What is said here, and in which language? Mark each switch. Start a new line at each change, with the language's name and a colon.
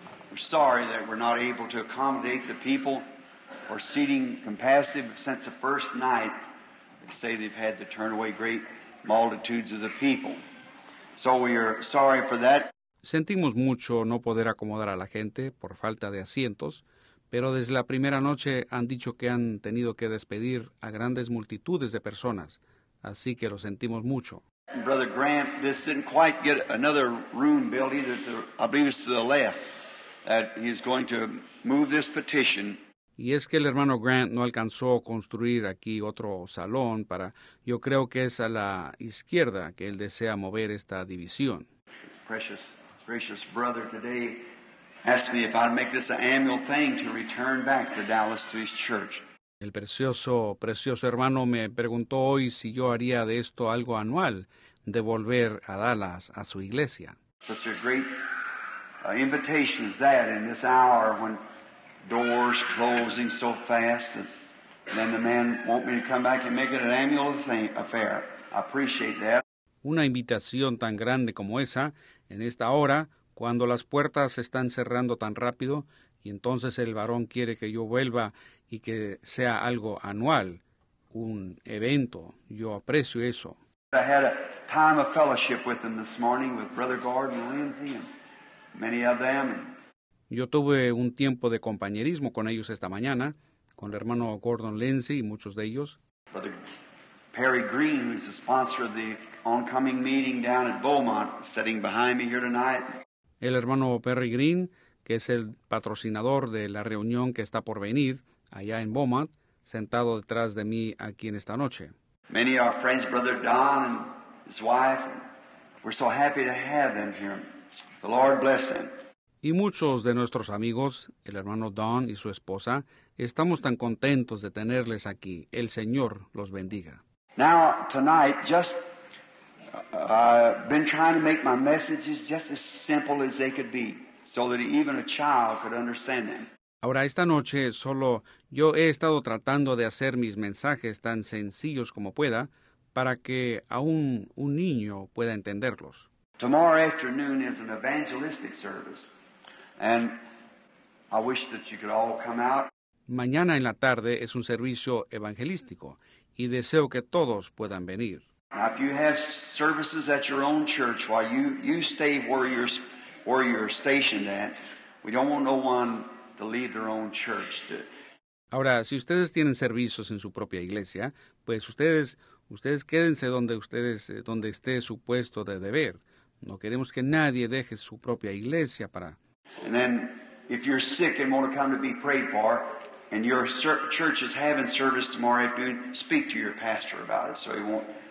English: We're sorry that we're not able to accommodate the people or seating capacity since the first night. They say they've had to turn away great multitudes of the people. So we are sorry for that.
Spanish: Sentimos mucho no poder acomodar a la gente por falta de asientos. Pero desde la primera noche han dicho que han tenido que despedir a grandes multitudes de personas, así que lo sentimos mucho.
English: Brother Grant just didn't quite get another room built either, I believe it's to the left, that he's going to move this petition.
Spanish: Y es que el hermano Grant no alcanzó a construir aquí otro salón para, yo creo que es a la izquierda que él desea mover esta división.
English: Precious, precious brother today. Asked me if I'd make this an annual thing to return back to Dallas to his church.
Spanish: El precioso, precioso hermano me preguntó hoy si yo haría de esto algo anual, de volver a Dallas a su iglesia.
English: Such a great invitation is that in this hour when doors closing so fast, and then the man want me to come back and make it an annual thing, affair. I appreciate that.
Spanish: Una invitación tan grande como esa en esta hora. Cuando las puertas se están cerrando tan rápido, y entonces el varón quiere que yo vuelva y que sea algo anual, un evento, yo aprecio eso.
English: I had a time of fellowship with them this morning with Brother Gordon Lindsay and many of them.
Spanish: Yo tuve un tiempo de compañerismo con ellos esta mañana, con el hermano Gordon Lindsay y muchos de ellos.
English: Brother Perry Green, who's the sponsor of the oncoming meeting down at Beaumont, sitting behind me here tonight.
Spanish: El hermano Perry Green, que es el patrocinador de la reunión que está por venir allá en Beaumont, sentado detrás de mí aquí en esta noche.
English: Many of our friends, Brother Don and his wife, we're so happy to have them here. The Lord bless them.
Spanish: Y muchos de nuestros amigos, el hermano Don y su esposa, estamos tan contentos de tenerles aquí. El Señor los bendiga.
English: Now, tonight, just... I've been trying to make my messages just as simple as they could be, so that even a child could understand them.
Spanish: Ahora esta noche solo yo he estado tratando de hacer mis mensajes tan sencillos como pueda para que aún un niño pueda entenderlos.
English: Tomorrow afternoon is an evangelistic service, and I wish that you could all come out.
Spanish: Mañana en la tarde es un servicio evangelístico, y deseo que todos puedan venir.
English: Now, if you have services at your own church, while you stay where you're stationed at, we don't want no one to leave their own church.
Spanish: Ahora, si ustedes tienen servicios en su propia iglesia, pues ustedes quédense donde esté su puesto de deber. No queremos que nadie deje su propia iglesia para.
English: And then, if you're sick and want to come to be prayed for, and your church is having service tomorrow afternoon, speak to your pastor about it, so he won't.